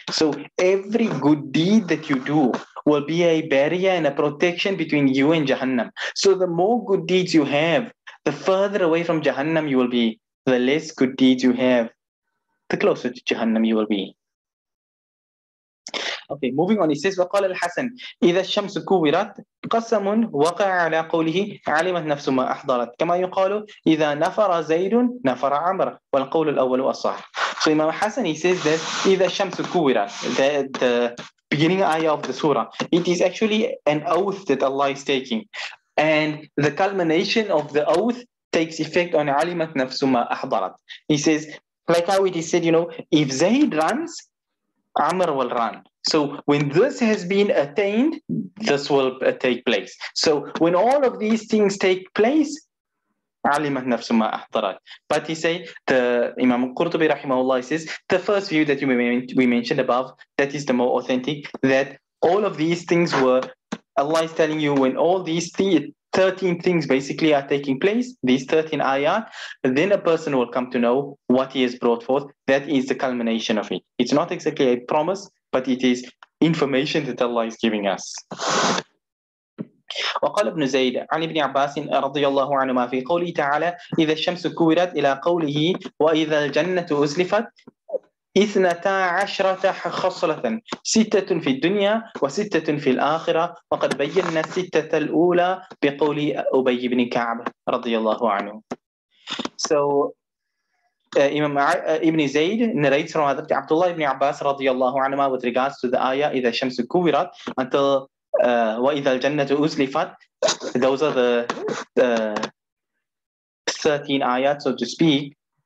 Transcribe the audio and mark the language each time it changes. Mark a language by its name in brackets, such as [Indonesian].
[English] So every good deed that you do will be a barrier and a protection between you and Jahannam. So the more good deeds you have, the further away from Jahannam you will be. The less good deeds you have, the closer to Jahannam you will be. Okay, moving on. He says, [Arabic] وَقَالَ الْحَسَنُ إِذَا الشَّمْسُ كُوِّرَتْ قَسَمٌ وَقَعَ عَلَىٰ قَوْلِهِ عَلِمَتْ نَفْسُ مَا أَحْضَرَتْ كَمَا يُقَالُ إِذَا نَفَرَ زَيْدٌ نَفَرَ عَمْرٌ وَالْقَوْلُ الْأَوَّلُ أَصَحُ. [English] So Imam Hassan, he says that [Arabic] إِذَا الشَّمْسُ كُوِّرَتْ, [English] the beginning ayah of the surah, it is actually an oath that Allah is taking. And the culmination of the oath takes effect on [Arabic] عَلِمَتْ نَفْسُ مَا أَحْضَرَتْ. [English] He says, like how it is said, you know, if Zayd runs, Amr will run. So when this has been attained, this will take place. So when all of these things take place, [Arabic] عَلِمَتْ نَفْسُ مَا أَحْضَرَتْ. [English] But he say, the Imam Qurtubi rahimahullah says, the first view that we mentioned above, that is the more authentic, that all of these things were, Allah is telling you, when all these 13 things basically are taking place, these 13 ayat, then a person will come to know what he has brought forth. That is the culmination of it. It's not exactly a promise, but it is information that Allah is giving us. [Arabic] وقال ابن زيد عن ابن عباس رضي الله عنهما في قوله تعالى إذا الشمس كورت إلى قوله وإذا الجنة أزلفت 12 خصلة ستة في الدنيا وستة في الآخرة وقد بينا الستة الأولى بقول أبي بن كعب رضي الله عنه. [English] So Imam Ibn Zayd narrates from Hadith Abdullah ibn Abbas radiyallahu anhu with regards to the ayah [Arabic] إِذَا الشَّمْسُ كُوِّرَتْ [English] until [Arabic] وَإِذَا الْجَنَّةُ أُزْلِفَتْ. [English] Those are the 13 ayahs, so to speak.